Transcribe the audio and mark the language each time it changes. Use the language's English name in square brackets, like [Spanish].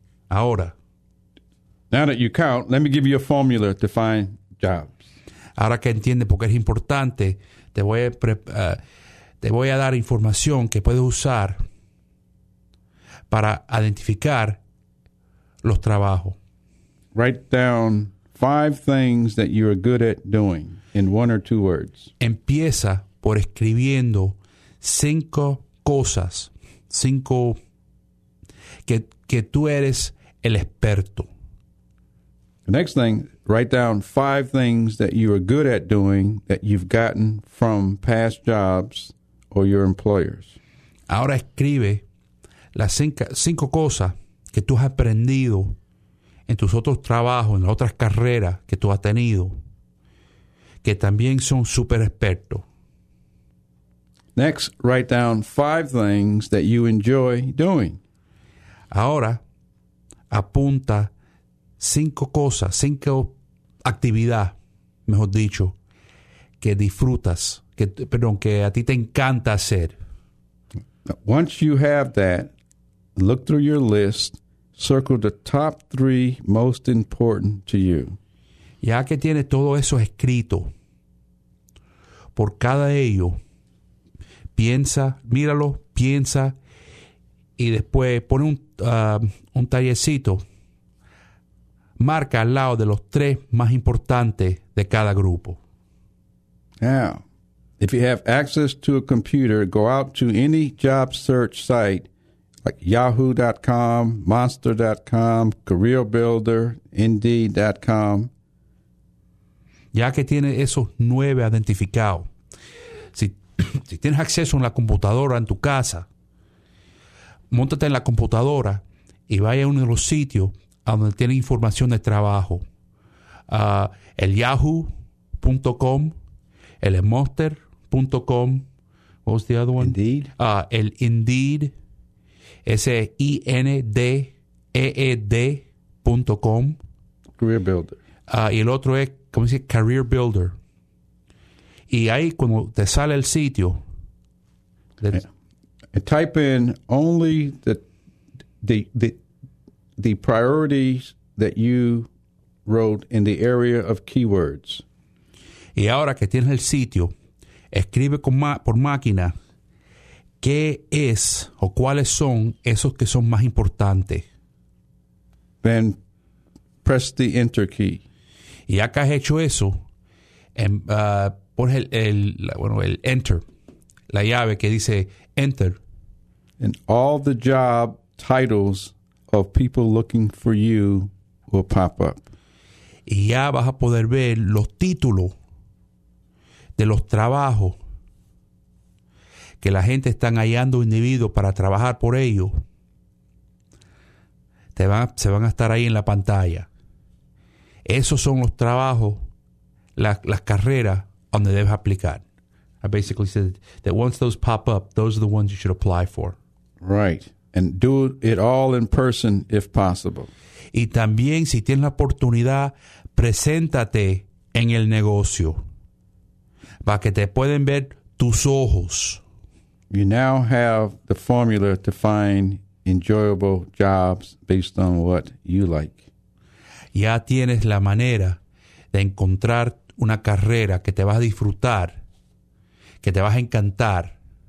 [English] Now that you count, let me give you a formula to find jobs. [Spanish] Ahora que entiende por qué es importante, te voy a dar información que puedes usar para identificar los trabajos. [English] Write down 5 things that you are good at doing in 1 or 2 words. [Spanish] Empieza por escribiendo 5 cosas, 5 que tú eres el experto. [English] The next thing, write down 5 things that you are good at doing that you've gotten from past jobs or your employers. [Spanish] Ahora escribe las 5 cosas que tú has aprendido en tus otros trabajos, en las otras carreras que tú has tenido, que también son super expertos. [English] Next, write down 5 things that you enjoy doing. [Spanish] Ahora, apunta 5 cosas, 5 actividad, mejor dicho, que disfrutas, que a ti te encanta hacer. [English] Once you have that, look through your list, circle the top 3 most important to you. [Spanish] Ya que tienes todo eso escrito, por cada ello, piensa, míralo, piensa, y después pone un tallercito, marca al lado de los 3 más importantes de cada grupo. [English] Now, if you have access to a computer, go out to any job search site, like yahoo.com, monster.com, careerbuilder, indeed.com. [Spanish] Ya que tiene esos 9 identificados, si tienes acceso a una computadora en tu casa, móntate en la computadora y vaya a uno de los sitios a donde tiene información de trabajo. El yahoo.com, el monster.com, [English] what was the other one? Indeed. [Spanish] El Indeed. Ese es INDEED.com. [English] Career Builder. [Spanish] Y el otro es, ¿cómo se dice? Career Builder. Y ahí, cuando te sale el sitio, [English] Type in only the priorities that you wrote in the area of keywords. [Spanish] Y ahora que tienes el sitio, escribe por máquina. ¿Qué es o cuáles son esos que son más importantes? [English] Then press the enter key. [Spanish] Y acá has hecho eso, pones el enter, la llave que dice enter. [English] And all the job titles of people looking for you will pop up. [Spanish] Y ya vas a poder ver los títulos de los trabajos que la gente están hallando individuos para trabajar por ellos, se van a estar ahí en la pantalla. Esos son los trabajos, las carreras donde debes aplicar. [English] I basically said that once those pop up, those are the ones you should apply for. Right. And do it all in person if possible. [Spanish] Y también, si tienes la oportunidad, preséntate en el negocio para que te puedan ver tus ojos. [English] You now have the formula to find enjoyable jobs based on what you like. [Spanish] Ya tienes la manera de encontrar una carrera que te vas a disfrutar, que te vas a encantar.